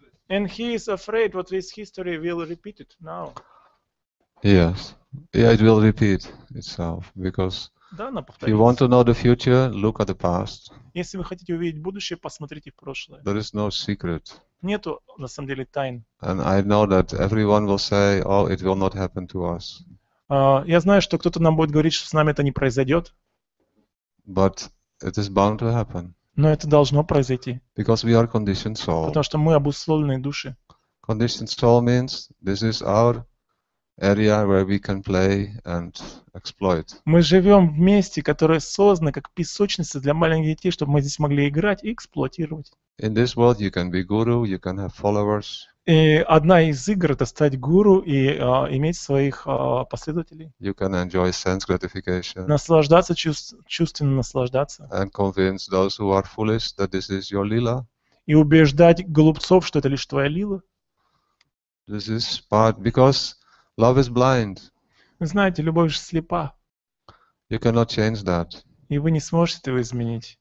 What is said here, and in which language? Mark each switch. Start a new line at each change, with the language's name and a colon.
English: And he is afraid what this history will repeat it now. Yes. Yeah, it will repeat itself, because if you want to know the future, look at the past.
Russian: Если вы хотите увидеть будущее, посмотрите в прошлое.
English: There is no secret.
Russian: Нету на самом деле тайн.
English: And I know that everyone will say, oh, it will not happen to us.
Russian: Я знаю, что кто-то нам будет говорить, что с нами это не произойдет.
English: But it is bound to happen.
Russian: Но это должно произойти.
English: Because we are conditioned soul.
Russian: Потому что мы обусловленные души.
English: Conditioned soul means this is our area where we can play and exploit.
Russian: Мы живем в месте, которое создано как песочница для маленьких детей, чтобы мы здесь могли играть и эксплуатировать.
English: In this world you can be guru, you can have followers.
Russian: И одна из игр — это стать гуру и иметь своих последователей.
English: You can enjoy sense gratification.
Russian: Наслаждаться, чувственно наслаждаться.
English: And convince those who are foolish that this is your lila.
Russian: И убеждать глупцов, что это лишь твоя лила.
English: This is part because love is blind.
Russian: Вы знаете, любовь же слепа.
English: You cannot change that.
Russian: И вы не сможете его изменить.